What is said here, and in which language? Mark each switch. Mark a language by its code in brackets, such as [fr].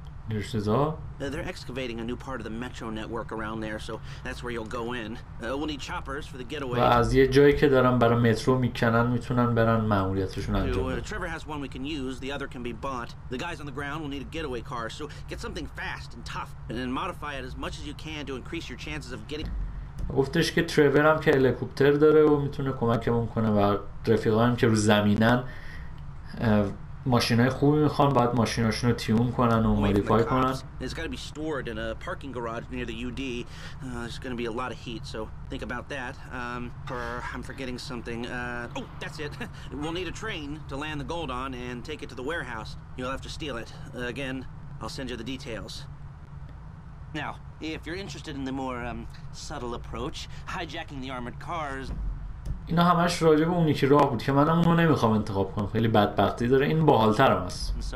[en] They're excavating a new part of the metro network around there, so that's where you'll go in. We'll need choppers for the getaway. [fa] و از یه جایی که دارن برای مترو میکنن میتونن برن ماموریتشون انجام بدن. [en] Trevor has one we can use, the other can be bought. The guys on the ground will need a getaway car, so get something fast and tough and then modify it as much as you can to increase your chances of getting. [fa] گفتش که تریور هم که هلیکوپتر داره و میتونه کمکمون کنه، و رفیقای هم که رو زمینن ماشینای خوبی میخوان، باید ماشیناشون رو تیون کنن و مودیفای کنن. [en] It's got to be stored in a parking garage near the UD. There's going to be a lot of heat, so think about that. I'm forgetting something. That's it. We'll need a train to land the gold on and take it to the warehouse. You'll have to steal it. Again, I'll send you the details. Now, if you're interested in the more subtle approach, hijacking the armored cars. [fa] اینا همش راجع به اونی که راه بود که منم اونو نمیخوام انتخاب کنم، خیلی بدبختی داره، این باحالترم است.